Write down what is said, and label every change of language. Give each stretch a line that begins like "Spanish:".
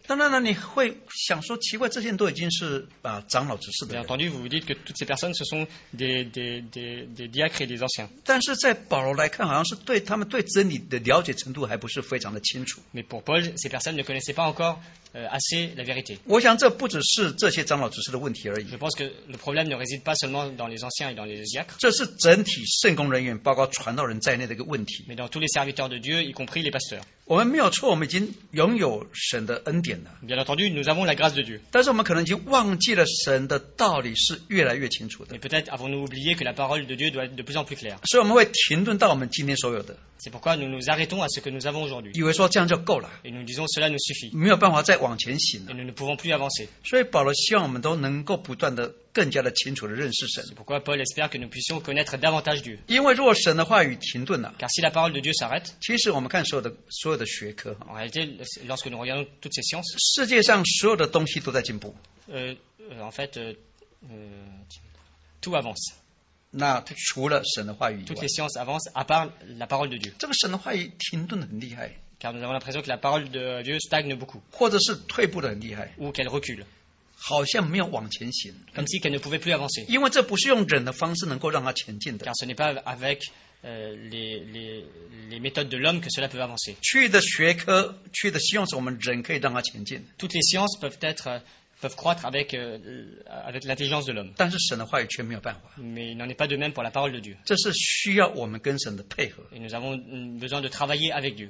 Chinese: 当然了，你会想说奇怪，这些人都已经是长老执事的人。
French: Bien entendu, vous vous dites que toutes ces personnes ce sont des diacres et des anciens.
Chinese: 但是在保罗来看，好像是对他们对真理的了解程度还不是非常的清楚。
French: Mais pour Paul, ces personnes ne connaissaient pas encore assez la vérité.
Chinese: 我想这不只是这些长老执事的问题而已。
French: Je pense que le problème ne réside pas seulement dans les anciens et dans les diacres.
Chinese: 这是整体圣工人员，包括传道人在内的一个问题。
French: Mais dans tous les serviteurs de Dieu, y compris les pasteurs.
Chinese: 我们没有错，我们已经拥有神的恩典了。
French: Bien entendu, nous avons la grâce de Dieu.
Chinese: 但是我们可能已经忘记了神的道理是越来越清楚的。
French: Mais peut-être avons-nous oublié que la parole de Dieu doit être de plus en plus claire.
Chinese: 所以我们会停顿到我们今天所有的。
French: C'est pourquoi nous nous arrêtons à ce que nous avons aujourd'hui.
Chinese: 以为说这样就够了。
French: Et nous disons cela nous suffit.
Chinese: 没有办法再往前行了。
French: Et nous ne pouvons plus avancer.
Chinese: 所以保罗希望我们都能够不断的更加的清楚的认识神。
French: C'est pourquoi Paul espère que nous puissions connaître davantage Dieu.
Chinese: 因为若神的话语停顿了，
French: car si la parole de Dieu s'arrête,
Chinese: 其实我们看所有的学科，
French: en réalité, lorsque nous regardons toutes ces sciences,
Chinese: 世界上所有的东西都在进步。
French: En fait, tout avance.
Chinese: 那除了神的话语以外，
French: toutes les sciences avancent à part la parole de Dieu.
Chinese: 这个神的话语停顿得很厉害，
French: car nous avons l'impression que la parole de Dieu stagne beaucoup.
Chinese: 或者是退步得很厉害，
French: ou qu'elle recule.
Chinese: 好像没有往前行，
French: comme si qu'elle ne pouvait plus avancer.
Chinese: 因为这不是用人的方式能够让它前进的，
French: car ce n'est pas avec les méthodes de l'homme que cela peut avancer.
Chinese: 去的学科，去的 science， 我们人可以让它前进。
French: Toutes les sciences peuvent être peuvent croître avec, avec l'intelligence de l'homme.
Chinese: 但是神的话语却没有办法。
French: Mais il n'en est pas de même pour la parole de Dieu.
Chinese: 这是需要我们跟神的配合。
French: Et nous avons besoin de travailler avec Dieu.